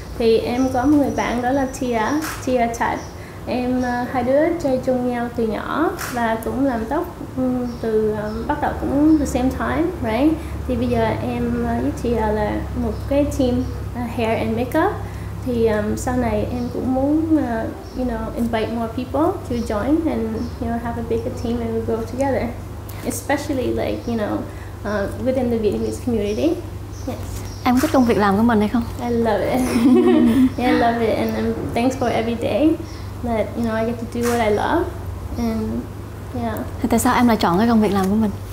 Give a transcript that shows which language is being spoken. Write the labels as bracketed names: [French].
[Vietnamese] Thì em có một người bạn đó là Tia Chat. Em hai đứa chơi chung nhau từ nhỏ và cũng làm tóc từ bắt đầu cũng [English] the same time, right? [Vietnamese] Thì bây giờ em với chị là một cái team hair and makeup. Thì sau này em cũng muốn [English] you know, invite more people to join and, you know, have a bigger team and we grow together. Especially like, you know, within the Vietnamese community. [Vietnamese] Em thích công việc làm của mình hay không? [English] I love it. Yeah, I love it and I'm thanks for every day that, you know, I get to do what I love. And [Vietnamese] thì tại sao em lại chọn cái công việc làm của mình?